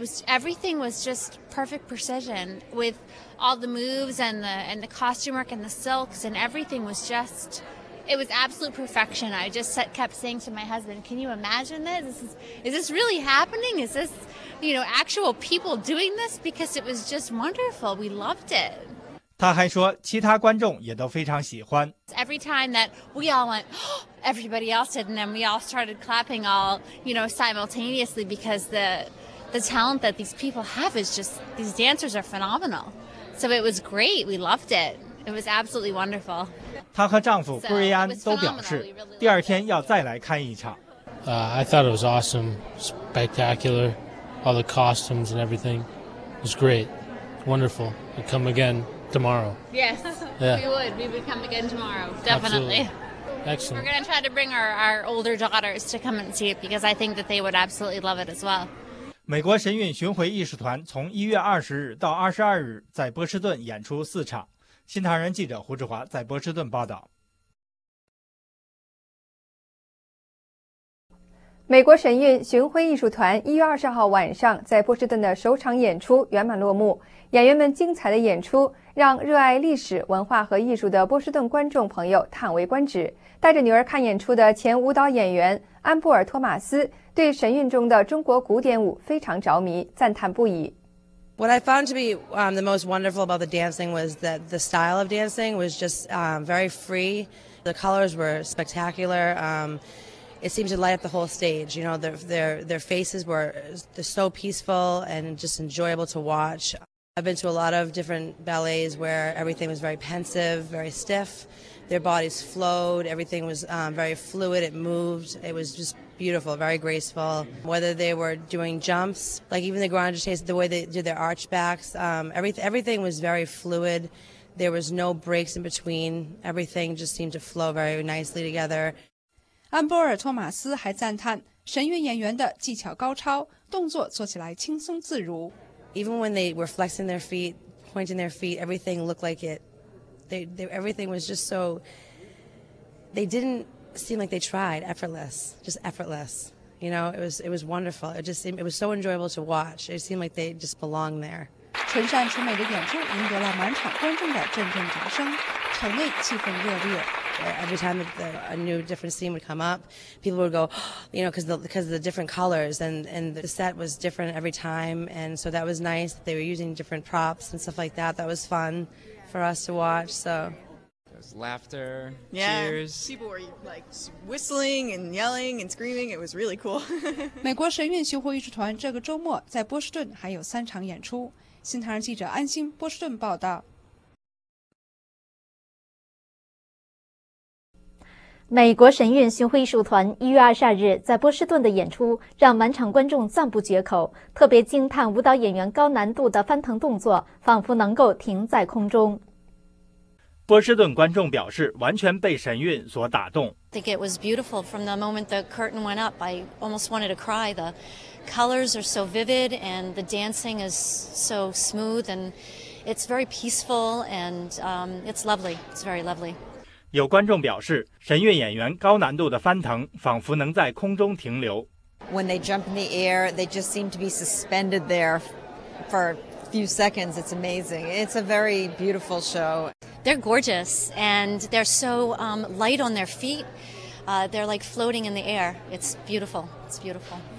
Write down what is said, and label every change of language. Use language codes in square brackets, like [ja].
[en] Everything was just perfect precision with all the moves and the costume work and the silks and everything was just, it was absolute perfection. I just kept saying to my husband, can you imagine this? Is this really happening? Is this, you know, actual people doing this? Because it was just wonderful. We loved it. [zh] 他还说其他观众也都非常喜欢。 [en] Every time that we all went, everybody else did, and then we all started clapping all, you know, simultaneously because the talent that these people have is just, these dancers are phenomenal. So it was great. We loved it. It was absolutely wonderful. [zh] 她和丈夫布瑞安都表示第二天要再来看一场。 [en] I thought it was awesome, spectacular, all the costumes and everything. It was great, wonderful. We'd come again tomorrow. Yes, yeah. We would come again tomorrow, definitely. Absolutely. Excellent. We're going to try to bring our older daughters to come and see it because I think that they would absolutely love it as well. [zh] 美国神韵巡回艺术团从1月20日到22日在波士顿演出四场。新唐人记者胡志华在波士顿报道。美国神韵巡回艺术团1月20号晚上在波士顿的首场演出圆满落幕。演员们精彩的演出让热爱历史文化和艺术的波士顿观众朋友叹为观止。带着女儿看演出的前舞蹈演员安布尔·托马斯对神韵中的中国古典舞非常着迷，赞叹不已。 [en] What I found to be the most wonderful about the dancing was that the style of dancing was just very free. The colors were spectacular. It seemed to light up the whole stage. You know, their faces were so peaceful and just enjoyable to watch. I've been to a lot of different ballets where everything was very pensive, very stiff. Their bodies flowed. Everything was very fluid. It moved. It was just. Beautiful, very graceful. Whether they were doing jumps, like even the grand jeté, the way they did their arch backs, everything was very fluid. There was no breaks in between. Everything just seemed to flow very nicely together. [zh] 安波尔·托马斯还赞叹神韵演员的技巧高超，动作做起来轻松自如。 [en] Even when they were flexing their feet, pointing their feet, everything looked like it. Everything was just so. They didn't. Seemed like they tried effortless, just effortless. You know, it was wonderful. It was so enjoyable to watch. It seemed like they just belonged there. [zh] 纯善纯美的演出赢得了满场观众的阵阵掌声，场内气氛热烈。 [en] Every time a new different scene would come up, people would go, you know, because of the different colors and the set was different every time, and so that was nice. They were using different props and stuff like that. That was fun for us to watch. So. Laughter, yeah, cheers. People were like whistling and yelling and screaming. It was really cool. [zh] 美国神韵巡回艺术团这个周末在波士顿还有三场演出。新唐人记者安心波士顿报道。美国神韵巡回艺术团一月二十二日在波士顿的演出让满场观众赞不绝口，特别惊叹舞蹈演员高难度的翻腾动作，仿佛能够停在空中。波士顿观众表示，完全被神韵所打动。 [en] I think it was beautiful from the moment the curtain went up. I almost wanted to cry. The colors are so vivid, and the dancing is so smooth, and it's very peaceful, and it's lovely. It's very lovely. [zh] 有观众表示，神韵演员高难度的翻腾，仿佛能在空中停留。 [en] When they jump in the air, they just seem to be suspended there for few seconds. It's amazing. It's a very beautiful show. They're gorgeous, and they're so light on their feet. They're like floating in the air. It's beautiful. It's beautiful.